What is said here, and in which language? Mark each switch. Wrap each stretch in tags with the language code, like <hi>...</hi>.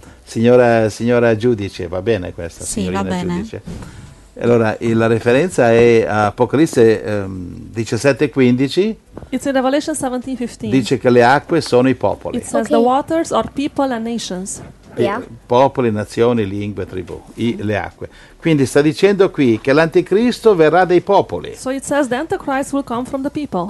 <it>Signora giudice, va bene questa? Sì, va bene. Giudice. Allora, la referenza è Apocalisse 17:15.</it> <en>It's in Revelation 17:15.</en> <it>Dice che le acque sono i popoli.</it> <en>It says okay. The waters are people and nations.</en> <it>popoli, nazioni, lingue, tribù, le acque. Quindi sta dicendo qui che l'anticristo verrà dai popoli.</it> <en>So it says the Antichrist will come from the people.</en>